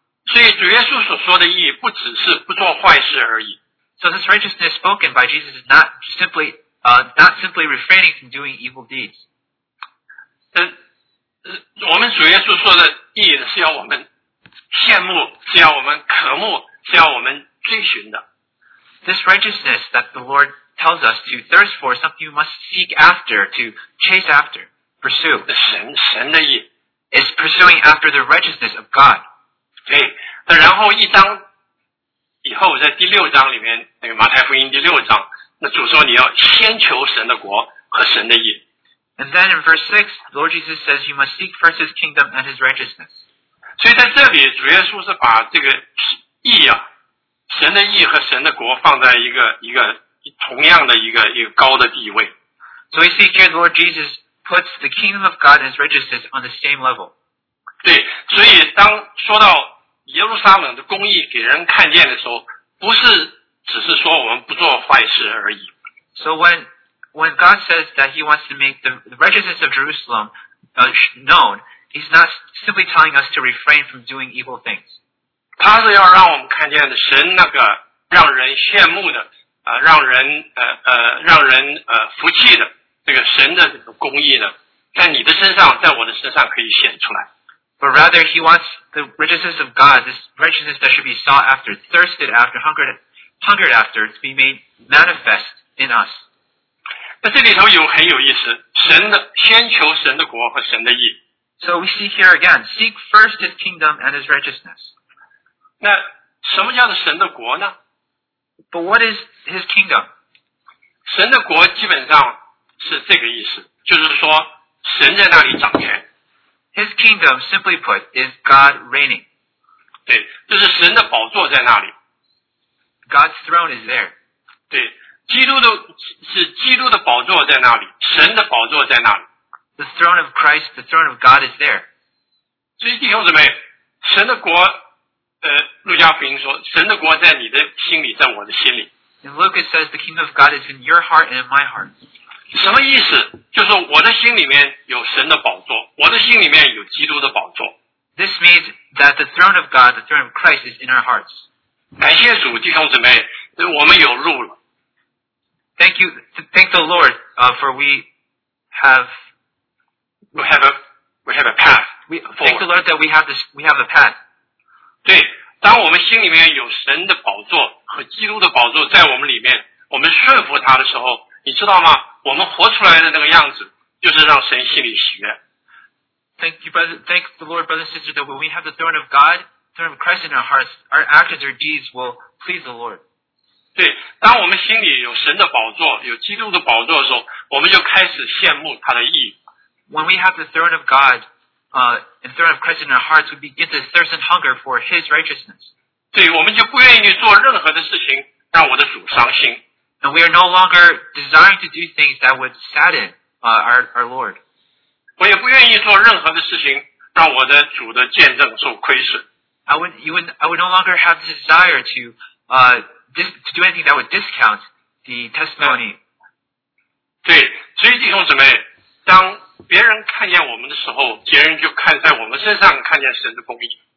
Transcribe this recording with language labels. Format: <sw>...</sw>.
<zh>所以主耶稣所说的义不只是不做坏事而已。</zh> <en>So this righteousness spoken by Jesus is not simply refraining from doing evil deeds.</en> <zh>我们主耶稣说的义是要我们羡慕，是要我们渴慕，是要我们追寻的。</zh> <en>This righteousness that the Lord tells us to thirst for, something you must seek after, to chase after, pursue.</en> <zh>神的义</zh> <en>is pursuing after the righteousness of God.</en> <zh>对，然后一章以后，在第六章里面，那个马太福音第六章，那主说你要先求神的国和神的义。</zh> <en>And then in verse 6, the Lord Jesus says, you must seek first his kingdom and his righteousness.</en> <zh>所以在这里主耶稣是把这个义啊，神的义和神的国放在一个同样的一个高的地位。</zh> <en>So we see here the Lord Jesus puts the kingdom of God and his righteousness on the same level.</en> <zh>对，所以当说到耶路撒冷的公义给人看见的时候，不是只是说我们不做坏事而已。</zh> <en>So when God says that he wants to make the righteousness of Jerusalem known, he's not simply telling us to refrain from doing evil things.</en> <zh>他是要让我们看见神那个让人羡慕的让人服气的这个神的这个公义呢，在你的身上，在我的身上可以显出来。</zh> <en>But rather, he wants the righteousness of God, this righteousness that should be sought after, thirsted after, hungered after, to be made manifest in us.</en> <zh>那这里头有很有意思，神的先求神的国和神的义。</zh> <en>So we see here again, seek first his kingdom and his righteousness.</en> <zh>那什么叫做神的国呢？</zh> <en>But what is his kingdom?</en> <zh>神的国基本上是这个意思，就是说神在那里掌权。</zh> <en>His kingdom, simply put, is God reigning.</en> <zh>对，就是神的宝座在那里。</zh> <en>God's throne is there.</en> <zh>对。基督的宝座在那里，神的宝座在那里。</zh> <en>The throne of Christ, the throne of God is there.</en> <zh>所以弟兄姊妹，神的国，路加福音说，神的国在你的心里，在我的心里。</zh> <en>In Luke it says the kingdom of God is in your heart and in my heart.</en> <zh>什么意思？就是我的心里面有神的宝座，我的心里面有基督的宝座。</zh> <en>This means that the throne of God, the throne of Christ is in our hearts.</en> <zh>感谢主，弟兄姊妹，我们有路了。</zh> <en>Thank you, thank the Lord, for we have a path. Thank the Lord that we have a path.</en> <zh>对，当我们心里面有神的宝座和基督的宝座在我们里面，我们顺服他的时候，你知道吗？我们活出来的那个样子，就是让神心里喜悦。</zh> <en>Thank you, brother. Thank the Lord, brother and sister, that when we have the throne of God, throne of Christ in our hearts, our actions, our deeds will please the Lord.</en> <zh>对，当我们心里有神的宝座，有基督的宝座的时候，我们就开始羡慕他的义。</zh> <en>When we have the throne of God, and throne of Christ in our hearts, we begin to thirst and hunger for His righteousness.</en> <zh>对，我们就不愿意做任何的事情让我的主伤心。</zh> <en>And we are no longer desiring to do things that would sadden, our Lord.</en> <zh>我也不愿意做任何的事情让我的主的见证受亏损。</zh> <en>I would no longer have the desire to do anything that would discount the testimony.</en> <zh>对，所以弟兄姊妹，当别人看见我们的时候，别人就看在我们身上看见神的公义。</zh>